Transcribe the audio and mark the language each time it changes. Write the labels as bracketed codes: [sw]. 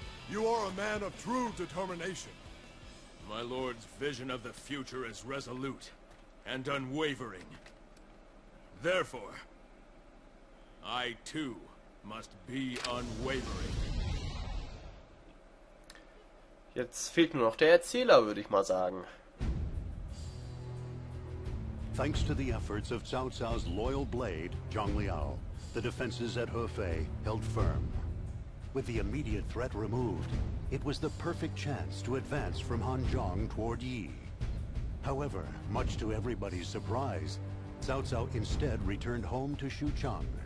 [en] You are a man of true determination. My lord's vision of the future is resolute and unwavering. Therefore, I too must be unwavering. [de] Jetzt fehlt nur noch der Erzähler, würde ich mal sagen. [en] Thanks to the efforts of Cao Cao's loyal blade, Zhang Liao, the defenses at Hefei held firm. With the immediate threat removed, it was the perfect chance to advance from Hanzhong toward Yi. However, much to everybody's surprise, Cao Cao instead returned home to Xuchang.